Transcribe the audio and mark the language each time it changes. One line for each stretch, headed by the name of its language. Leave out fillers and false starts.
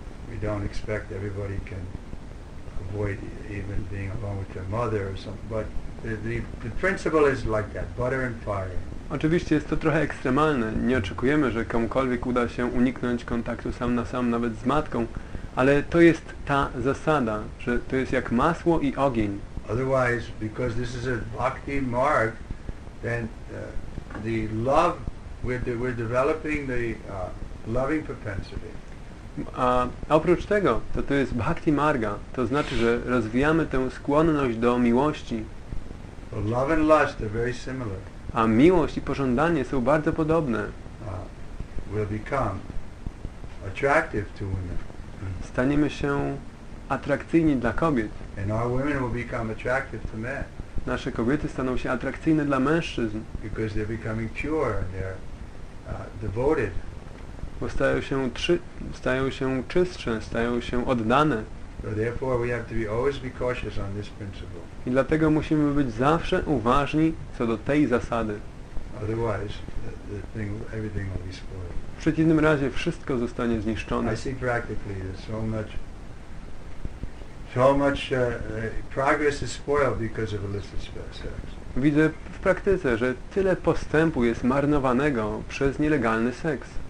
English: We don't expect everybody can avoid even being alone with their mother or something, but the principle is like that, butter and fire.
Polish: Oczywiście jest to trochę ekstremalne. Nie oczekujemy, że komukolwiek uda się uniknąć kontaktu sam na sam nawet z matką, ale to jest ta zasada, że to jest jak masło i ogień.
English: Otherwise, because this is a bhakti mark, then the love we're developing the loving propensity.
Polish: A oprócz tego, to jest bhakti marga, to znaczy, że rozwijamy tę skłonność do miłości.
English: But love and lust are very similar.
Polish: A miłość i pożądanie są bardzo podobne.
English: Will become attractive to women.
Polish: Staniemy się atrakcyjni dla kobiet.
English: And our women will become attractive to men.
Polish: Nasze kobiety staną się atrakcyjne dla mężczyzn.
English: Because they're becoming pure and they're devoted.
Polish: Bo stają się czystsze, stają się oddane.
English: So therefore we have to be always be cautious on this principle.
Polish: I dlatego musimy być zawsze uważni co do tej zasady.
English: Otherwise, everything will be spoiled.
Polish: W przeciwnym razie wszystko zostanie zniszczone.
English: I see practically that so much progress is spoiled because of illicit sex.
Polish: Widzę w praktyce, że tyle postępu jest marnowanego przez nielegalny seks.